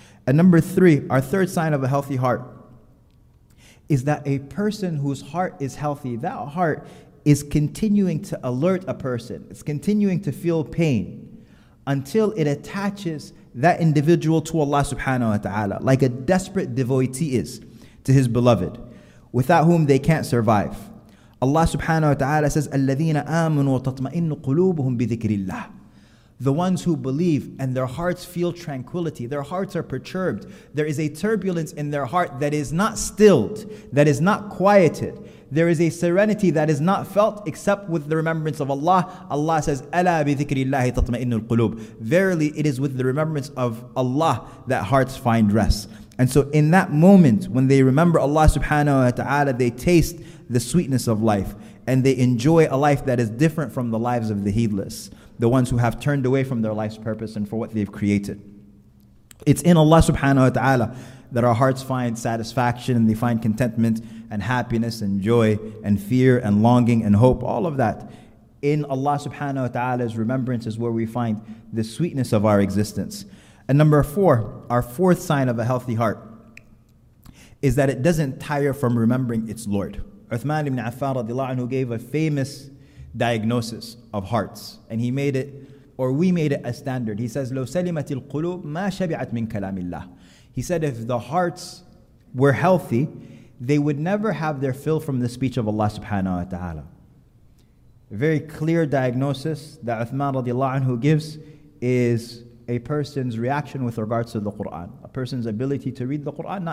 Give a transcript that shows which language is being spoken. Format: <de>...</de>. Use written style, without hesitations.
<en>And number three, our third sign of a healthy heart, is that a person whose heart is healthy, that heart is continuing to alert a person. It's continuing to feel pain until it attaches that individual to Allah subhanahu wa ta'ala, like a desperate devotee is to his beloved, without whom they can't survive.</en> <ar>Allah subhanahu wa ta'ala says, الَّذِينَ آمَنُوا وَتَطْمَئِنُّ قُلُوبُهُمْ بِذِكْرِ اللَّهِ.</ar> <en>The ones who believe and their hearts feel tranquility, their hearts are perturbed, there is a turbulence in their heart that is not stilled, that is not quieted, there is a serenity that is not felt except with the remembrance of Allah.</en> <ar>Allah says, أَلَا بِذِكْرِ اللَّهِ تَطْمَئِنُّ الْقُلُوبُ.</ar> <en>Verily, it is with the remembrance of Allah that hearts find rest. And so in that moment, when they remember Allah subhanahu wa ta'ala, they taste the sweetness of life and they enjoy a life that is different from the lives of the heedless, the ones who have turned away from their life's purpose and for what they've created. It's in Allah subhanahu wa ta'ala that our hearts find satisfaction and they find contentment and happiness and joy and fear and longing and hope, all of that. In Allah subhanahu wa ta'ala's remembrance is where we find the sweetness of our existence. And number four, our fourth sign of a healthy heart, is that it doesn't tire from remembering its Lord. Uthman ibn Affan radiallahu anhu gave a famous diagnosis of hearts, and he made it, or we made it, a standard.</en> <ar>He says, لو سلمت القلوب ما شبعت من كلام الله.</ar> <en>He said, if the hearts were healthy, they would never have their fill from the speech of Allah subhanahu wa ta'ala. A very clear diagnosis that Uthman radiallahu anhu gives is a person's reaction with regards to the Qur'an, a person's ability to read the Qur'an.</en>